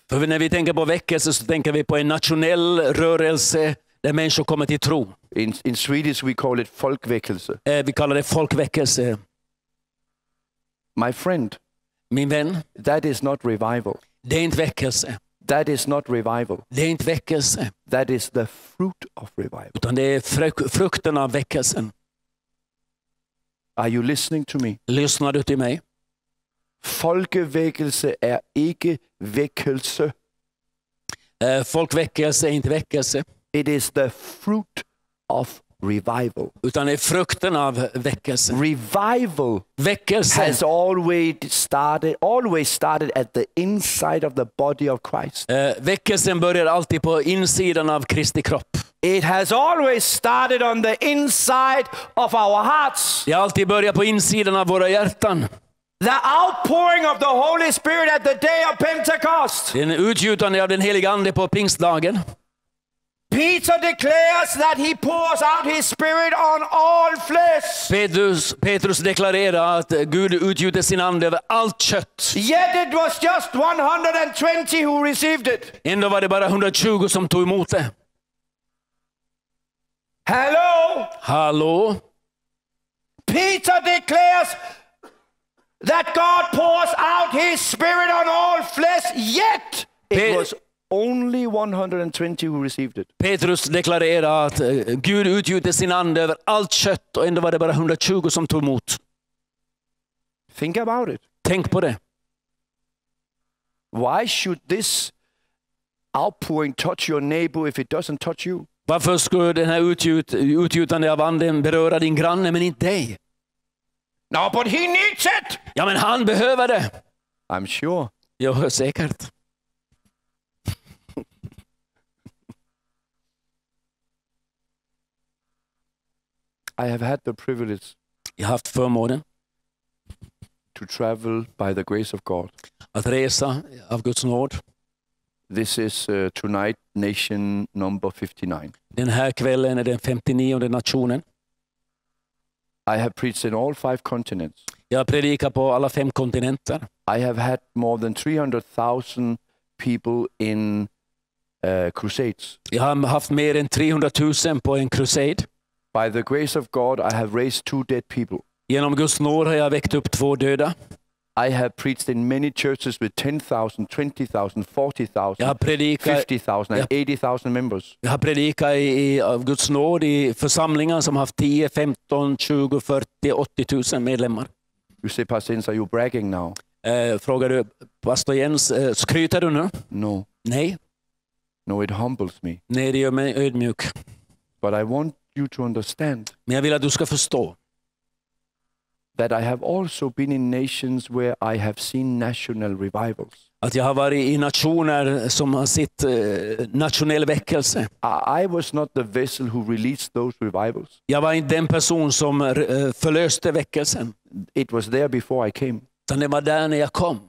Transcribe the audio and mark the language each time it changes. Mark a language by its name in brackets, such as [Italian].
[Swedish] För när vi tänker på väckelse så tänker vi på en nationell rörelse där människor kommer till tro. [English] In Swedish we call it folkväckelse. [Swedish] Vi kallar det folkväckelse. [English] My friend. [Swedish] Min vän. [English] That is not revival. [Swedish] Det är inte väckelse. [English] That is not revival. [Swedish] Det är inte väckelse. [English] That is the fruit of revival. [Swedish] Utan det är frukten av väckelsen. [English] Are you listening to me? [Swedish] Lyssnar du till mig? Folkväckelse är icke väckelse. Folkväckelse är inte väckelse. [English] It is the fruit of revival. [Swedish] Utan det är frukten av väckelsen. [English] Revival [Swedish] väckelse [English] has always started at the inside of the body of Christ. [Swedish] Väckelsen börjar alltid på insidan av Kristi kropp. [English] It has always started on the inside of our hearts. [Swedish] Det alltid börjar på insidan av våra hjärtan. [English] The outpouring of the Holy Spirit at the day of Pentecost. [Swedish] Den utgjutande av den helige ande på pingstdagen. [English] Peter declares that he pours out his spirit on all flesh. [Swedish] Petrus deklarerar att Gud utgjuter sin ande över allt kött. [English] Yet it was just 120 who received it. [Swedish] Ändå var det bara 120 som tog emot det. [English] Hello. [Swedish] Hallå. [English] Peter declares that God pours out his spirit on all flesh, yet it was only 120 who received it. [Swedish] Petrus deklarerar att Gud utgjuter sin ande över allt kött och ändå var det bara 120 som tog emot. [English] Think about it. [Swedish] Tänk på det. [English] Why should this outpouring touch your neighbor if it doesn't touch you? [Swedish] Varför skulle den här utgjutande av anden beröra din granne men inte dig? [English] No, but he needs it. [Swedish] Ja, men han behöver det. [English] I'm sure. [Swedish] Jag är säkert. [English] I have had the privilege. [Swedish] Jag har haft förmånen. [English] To travel by the grace of God. [Swedish] Att resa av Guds nåd. [English] This is tonight nation number 59. [Swedish] Den här kvällen är den 59:e nationen. [English] I have preached in all five continents. [Swedish] Jag predikar på alla fem kontinenter. [English] I have had more than 300,000 people in crusades. [Swedish] Jag har haft mer än 300,000 på en crusade. [English] By the grace of God I have raised two dead people. [Swedish] Genom Guds nåd har jag väckt upp två döda. [English] I have preached in many churches with 10,000, 20,000, 40,000. [Swedish] Jag har predikat [English] 50,000 and 80,000 members. [Swedish] Jag har predikat i av Guds nåd i församlingar som haft 10, 15, 20, 40, 80,000 medlemmar. [English] You say, Pastor Jens, are you bragging now? [Swedish] Frågar du Pastor Jens, skryter du nu? [English] No. [Swedish] Nej. [English] No, it humbles me. [Swedish] Nej, det gör mig ödmjuk. [English] But I want you to understand. [Swedish] Men jag vill att du ska förstå. [English] That I have also been in nations where I have seen national revivals. [Swedish] Att jag har varit i nationer som har sett nationell väckelse. [English] I was not the vessel who released those revivals. [Swedish] Jag var inte den person som förlöste väckelsen. [English] It was there before I came. [Swedish] Utan det var där när jag kom.